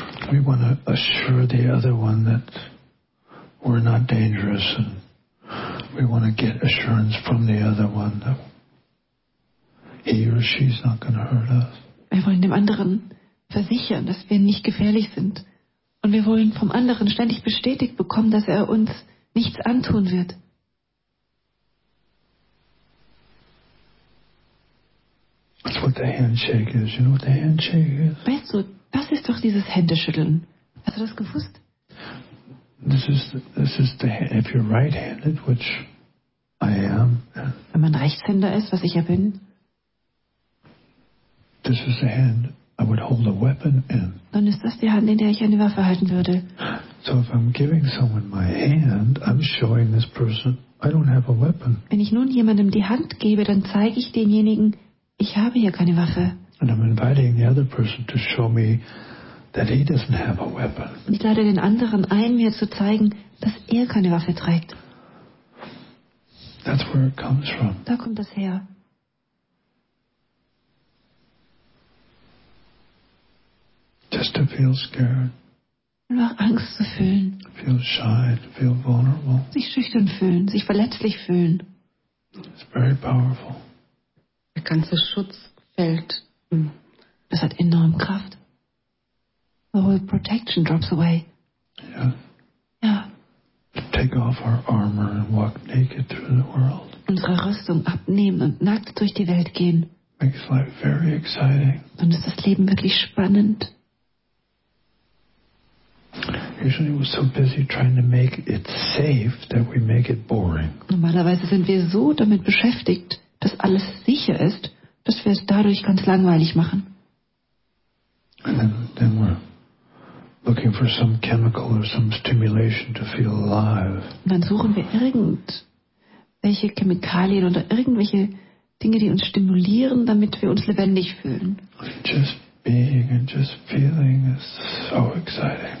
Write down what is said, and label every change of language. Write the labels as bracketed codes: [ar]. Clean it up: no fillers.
[en] We want to assure the other one that we're not dangerous, and we want to get assurance from the other one that he or she's not going to hurt us. [de] Wir wollen dem anderen versichern, dass wir nicht gefährlich sind. Und wir wollen vom anderen ständig bestätigt bekommen, dass er uns nichts antun wird. [en] That's what the handshake is. You know what the handshake is? [de] Weißt du, das ist doch dieses Händeschütteln. Hast du das gewusst? [en] This is the if you're right-handed, which I am. [de] Wenn man Rechtshänder ist, was ich ja bin. [en] This is the hand I would hold a weapon in. [de] Dann ist das die Hand, in der ich eine Waffe halten würde. [en] So if I'm giving someone my hand, I'm showing this person I don't have a weapon. [de] Wenn ich nun jemandem die Hand gebe, dann zeige ich demjenigen, ich habe hier keine Waffe. [en] And I'm inviting the other person to show me that he doesn't have a weapon. [de] Und ich lade den anderen ein, mir zu zeigen, dass er keine Waffe trägt. [en] That's where it comes from. [de] Da kommt das her. [en] Just to feel scared. [de] Einfach Angst zu fühlen. [en] Feel shy, feel vulnerable. [de] Sich schüchtern fühlen, sich verletzlich fühlen. [en] It's very powerful. [de] Der ganze Schutzfeld. Das hat enorm Kraft. [en] The whole protection drops away. Yeah. [de] Ja. [en] Take off our armor and walk naked through the world. [de] Unsere Rüstung abnehmen und nackt durch die Welt gehen. [en] Makes life very exciting. [de] Dann ist das Leben wirklich spannend. [en] Usually we're so busy trying to make it safe that we make it boring. [de] Normalerweise sind wir so damit beschäftigt, dass alles sicher ist, dass wir es dadurch ganz langweilig machen. [en] And then we're looking for some chemical or some stimulation to feel alive. [de] Und dann suchen wir irgendwelche Chemikalien oder irgendwelche Dinge, die uns stimulieren, damit wir uns lebendig fühlen. [en] Just being and just feeling is so exciting.